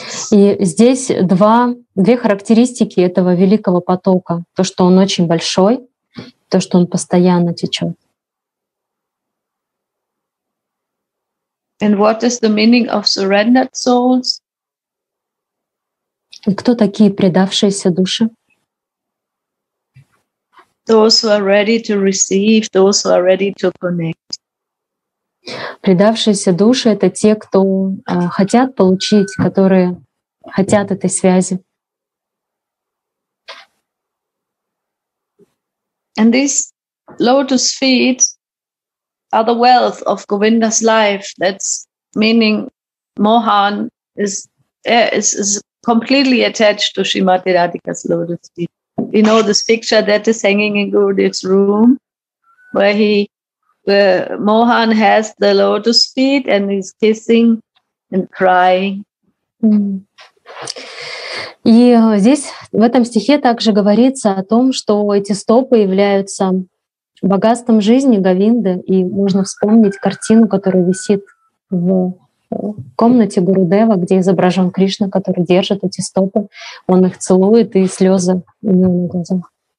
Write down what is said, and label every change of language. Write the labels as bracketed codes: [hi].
[ru] И здесь две характеристики этого великого потока. То, что он очень большой, то, что он постоянно течет. [en] And what is the meaning of surrendered souls? [ru] И кто такие предавшиеся души? [en] Those who are ready to receive, those who are ready to connect. [ru] Предавшиеся души — это те, кто хотят получить, которые хотят этой связи. [en] And these lotus feet are the wealth of Govinda's life. That's meaning Mohan is completely attached to Srimati Radhika's lotus feet. You know this picture that is hanging in Gurudev's room, where Mohan has the lotus feet and he's kissing and crying. [ru] И здесь в этом стихе также говорится о том, что эти стопы являются богатством жизни Говинды, и можно вспомнить картину, которая висит в в комнате Гурудева, где изображен Кришна, который держит эти стопы, он их целует, и слезы у него на глазах.